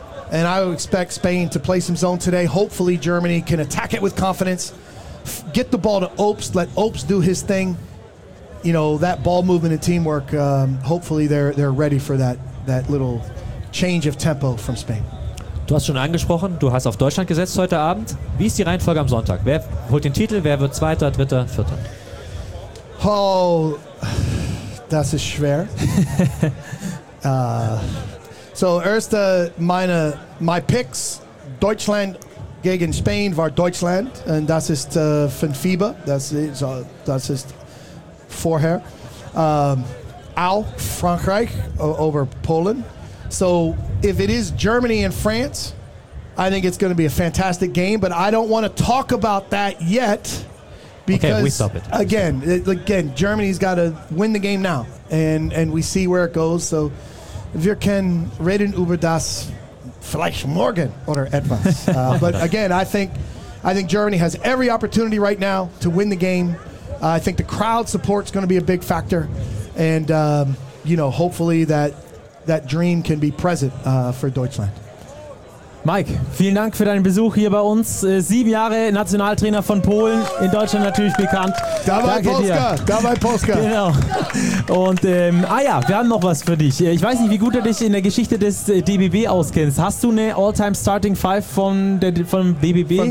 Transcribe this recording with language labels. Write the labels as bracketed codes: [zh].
[en] And I would expect Spain to play some zone today. Hopefully Germany can attack it with confidence. Get the ball to Ops. Let Ops do his thing. That ball movement and teamwork, hopefully they're ready for that little change of tempo from Spain. [de] Du hast schon angesprochen, du hast auf Deutschland gesetzt heute Abend. Wie ist die Reihenfolge am Sonntag? Wer holt den Titel? Wer wird Zweiter, Dritter, Vierter? Oh, das ist schwer. So, erste, [en] my picks, [de] Deutschland gegen Spanien war Deutschland und das ist von FIBA, das ist vorher. Auch Frankreich über Polen. [en] So, if it is Germany and France, I think it's going to be a fantastic game, but I don't want to talk about that yet. Because okay, we stop it. Again, Germany's got to win the game now, and we see where it goes. [de] So, wir können reden über das vielleicht morgen oder etwas. [en] But again, I think Germany has every opportunity right now to win the game. I think the crowd support is going to be a big factor, and you know, hopefully that dream can be present for Deutschland. [de] Mike, vielen Dank für deinen Besuch hier bei uns. 7 Jahre Nationaltrainer von Polen, in Deutschland natürlich bekannt. Dabei Polska. Genau. Und wir haben noch was für dich. Ich weiß nicht, wie gut du dich in der Geschichte des DBB auskennst. Hast du eine All-Time Starting Five von DBB?